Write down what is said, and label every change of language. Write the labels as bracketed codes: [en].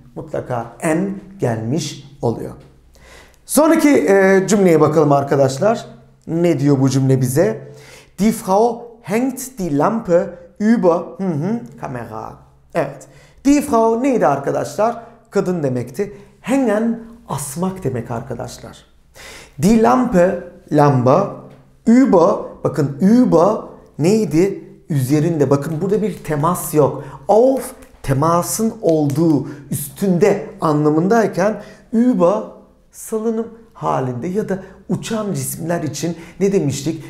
[tr] Mutlaka en gelmiş oluyor. Sonraki cümleye bakalım arkadaşlar. Ne diyor bu cümle bize? [de] Die Frau hängt die Lampe über Kamera. [tr] Evet. Die Frau neydi arkadaşlar? Kadın demekti. Hängen asmak demek arkadaşlar. Die Lampe, lamba, über, bakın über neydi? Üzerinde. Bakın burada bir temas yok. Auf temasın olduğu üstünde anlamındayken über salınım halinde ya da uçan cisimler için ne demiştik?